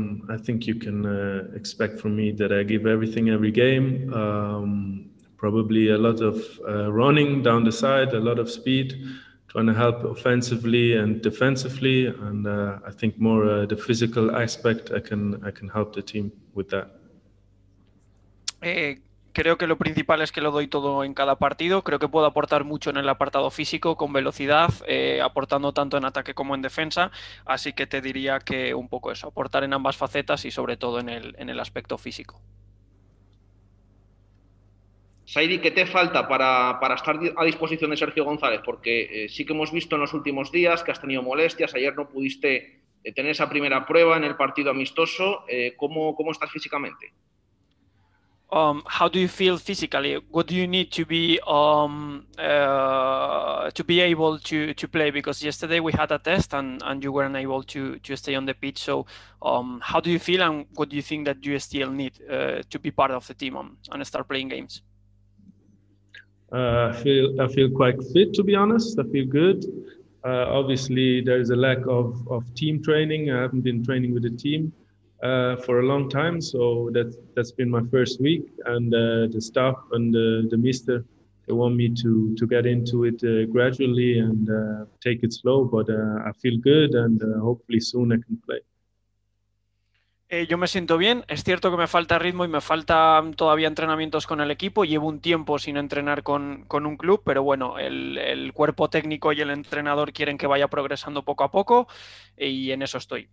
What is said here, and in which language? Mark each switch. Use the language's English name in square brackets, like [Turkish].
[English] I think you can expect from me that I give everything every game. Probably a lot of running down the side, a lot of speed, trying to help offensively and defensively. And I think more the physical aspect, I can help the team with that. [Spanish] Creo que lo principal es que lo doy todo en cada partido. Creo que puedo aportar mucho en el apartado físico, con velocidad, aportando tanto en ataque como en defensa. Así que te diría que un poco eso, aportar en ambas facetas y sobre todo en el aspecto físico. Saidi, ¿qué te falta para estar a disposición de Sergio González? Porque sí que hemos visto en los últimos días que has tenido molestias. Ayer no pudiste tener esa primera prueba en el partido amistoso. ¿Cómo estás físicamente? [English] How do you feel physically? What do you need to be able to play? Because yesterday we had a test and you weren't able to stay on the pitch. So how do you feel and what do you think that you still need to be part of the team and start playing games? I feel quite fit, to be honest. I feel good. Obviously, there is a lack of team training. I haven't been training with the team for a long time, so that's been my first week. And the staff and the mister, they want me to get into it gradually and take it slow. But I feel good, and hopefully soon I can play. [Spanish] Yo me siento bien, es cierto que me falta ritmo y me faltan todavía entrenamientos con el equipo. Llevo un tiempo sin entrenar con un club, pero bueno, el cuerpo técnico y el entrenador quieren que vaya progresando poco a poco y en eso estoy.